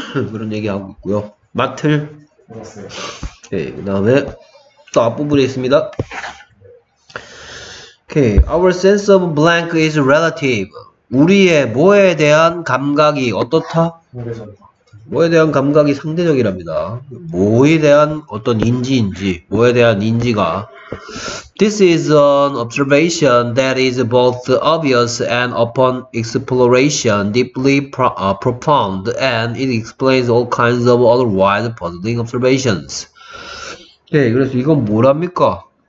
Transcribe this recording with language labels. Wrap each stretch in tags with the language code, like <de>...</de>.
<ko>그런 얘기하고 있고요. 마틀. 오케이, 그 다음에 또 앞부분에 있습니다.</ko> <en>Okay. Our sense of blank is relative.</en> <ko>우리의 뭐에 대한 감각이 어떻다? 뭐에 대한 감각이 상대적이랍니다. 뭐에 대한 어떤 인지인지, 뭐에 대한 인지가.</ko> <en>This is an observation that is both obvious and upon exploration deeply profound, and it explains all kinds of otherwise puzzling observations.</en> <ko>네, 그래서 이건 뭐랍니까?</ko>